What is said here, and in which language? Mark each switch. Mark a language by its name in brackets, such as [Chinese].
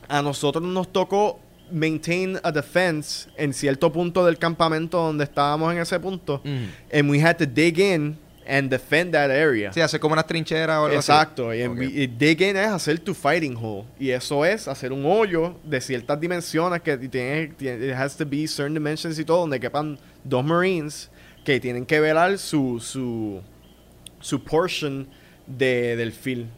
[Spanish] a nosotros nos tocó [English] maintain a defense [Spanish] en cierto punto del campamento donde estábamos en ese punto. Mm. [English] And we had to dig in and defend that area. [Spanish] Sí, hacer como una trinchera o algo. Exacto. Así. Y, y dig in es hacer tu fighting hole. Y eso es hacer un hoyo de ciertas dimensiones que tiene, [English] it has to be certain dimensions [Spanish] y todo, donde quepan dos Marines que tienen que velar su portion del field.